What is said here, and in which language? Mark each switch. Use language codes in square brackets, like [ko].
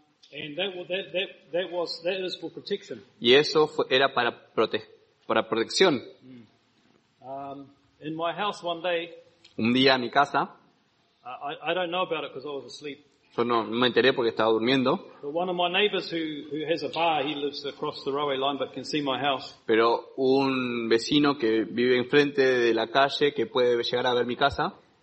[en] And that is for protection. [es] Y eso era para protección. [en] In my house one day, [es] un día en mi casa, [en] I don't know about it because I was asleep. [es] Yo no me enteré porque estaba durmiendo. [en] But one of my neighbors who has a bar, he lives across the railway line but can see my house. [es] Pero un vecino que vive enfrente de la calle que puede llegar a ver mi casa.